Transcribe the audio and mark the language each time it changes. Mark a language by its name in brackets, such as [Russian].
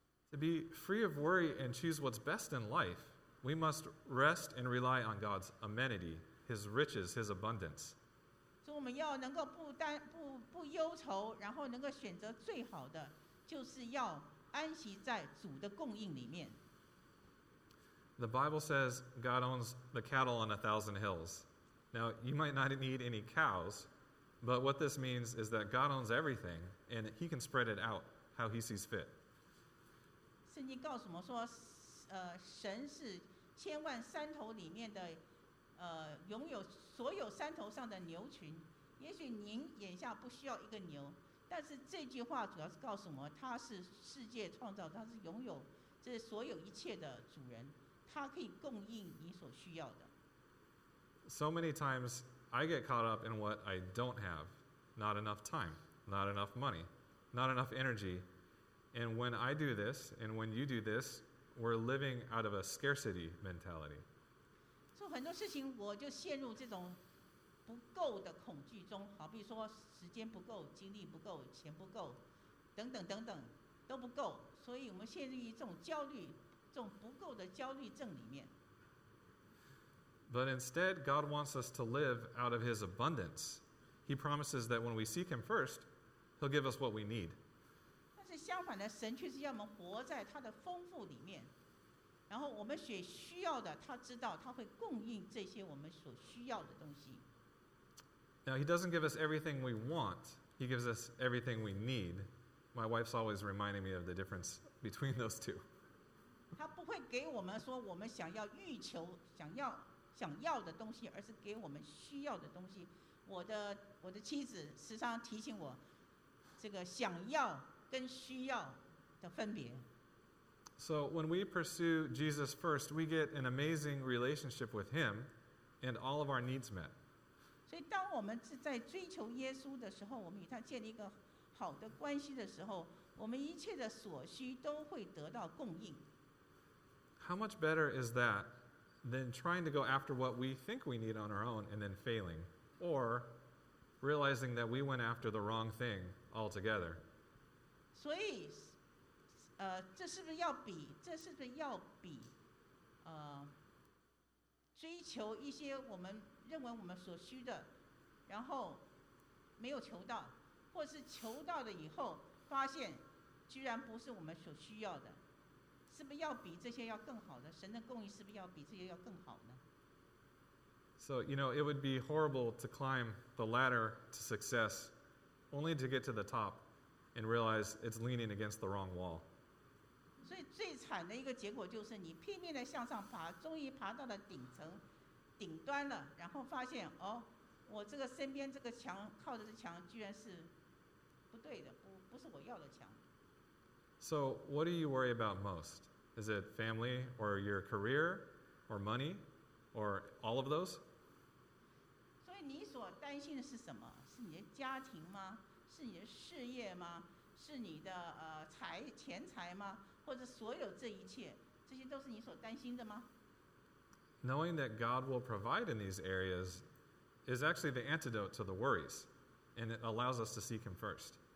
[English] To be free of worry and choose what's best in life, we must rest and rely on God's amenity, His riches, His abundance. [Chinese] 所以我们要能够不忧愁，然后能够选择最好的，就是要安息在主的供应里面。 [English] The Bible says God owns the cattle on 1,000 hills. Now, you might not need any cows, but what this means is that God owns everything, and he can spread it out how he sees fit. [Chinese] 圣经告诉我们说，神是千万山头里面的，拥有所有山头上的牛群。也许您眼下不需要一个牛，但是这句话主要是告诉我们，他是世界创造，他是拥有这所有一切的主人。他可以供应你所需要的。 [English] So many times I get caught up in what I don't have, not enough time, not enough money, not enough energy. And when I do this, and when you do this, we're living out of a scarcity mentality. [Chinese] 所以很多事情我就陷入这种不够的恐惧中，好比说时间不够，精力不够，钱不够，等等等等都不够，所以我们陷入一种焦虑，这种不够的焦虑症里面。 [English] But instead, God wants us to live out of his abundance. He promises that when we seek him first, he'll give us what we need. [Chinese] 但是相反的，神却是要我们活在他的丰富里面，然后我们所需要的，他知道他会供应这些我们所需要的东西。 [English] Now, he doesn't give us everything we want. He gives us everything we need. My wife's always reminding me of the difference between those two. [Chinese] 他不会给我们说我们想要欲求想要的东西，而是给我们需要的东西。我的妻子时常提醒我这个想要跟需要的分别。 [English] So when we pursue Jesus first, we get an amazing relationship with him and all of our needs met. [Chinese] 所以当我们是在追求耶稣的时候，我们与他建立一个好的关系的时候，我们一切的所需都会得到供应。 [English] How much better is that than trying to go after what we think we need on our own and then failing, or realizing that we went after the wrong thing altogether? [Chinese] 所以，这是不是要比，追求一些我们认为我们所需的，然后没有求到，或是求到了以后发现居然不是我们所需要的。是不是要比这些要更好的？神的供应是不是要比这些要更好呢？ [English] So, you know, it would be horrible to climb the ladder to success only to get to the top and realize it's leaning against the wrong wall. [Chinese] 所以最惨的一个结果就是你拼命的向上爬，终于爬到了顶层顶端了，然后发现哦，我这个身边这个墙靠着的墙居然是不对的，不是我要的墙。 [English] So what do you worry about most? Is it family or your career or money or all of those? [Chinese] 所以你所担心的是什么？是你的家庭吗？是你的事业吗？是你的钱财吗？或者所有这一切，这些都是你所担心的吗？ [English] Knowing that God will provide in these areas is actually the antidote to the worries, and it allows us to seek Him first.